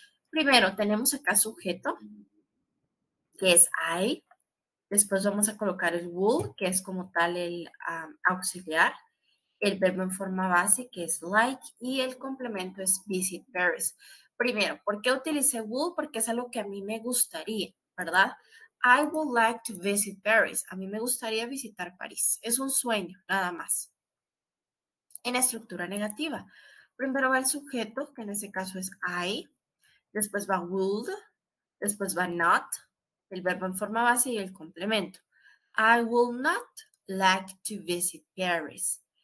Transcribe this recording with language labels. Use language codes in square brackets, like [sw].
[es] Primero, tenemos acá sujeto, que es I. Después vamos a colocar el would, que es como tal el auxiliar, el verbo en forma base, que es like, y el complemento es [en] visit Paris. [es] Primero, ¿por qué utilicé would? Porque es algo que a mí me gustaría, ¿verdad? [en] I would like to visit Paris. [es] A mí me gustaría visitar París. Es un sueño, nada más. En estructura negativa. Primero va el sujeto, que en ese caso es I. Después va would. Después va not. El verbo en forma base y el complemento. [en] I will not like to visit Paris.